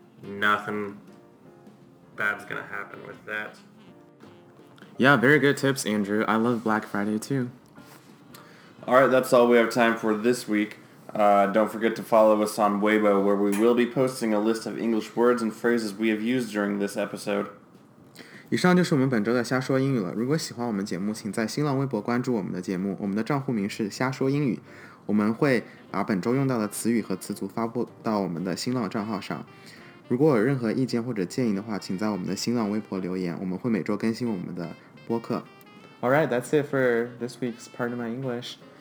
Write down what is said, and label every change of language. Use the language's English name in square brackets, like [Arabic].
[English] Nothing bad's gonna happen with that. Yeah, very good tips, Andrew. I love Black Friday too. All right, that's all we have time for this week. Don't forget to follow us on Weibo, where we will be posting a list of English words and phrases we have used during this episode. [Chinese] 以上就是我们本周的瞎说英语了。如果喜欢我们节目，请在新浪微博关注我们的节目，我们的账户名是瞎说英语。我们会把本周用到的词语和词组发布到我们的新浪账号上。如果有任何意见或者建议的话，请在我们的新浪微博留言，我们会每周更新我们的播客。 [English] All right, that's it for this week's Part of My English.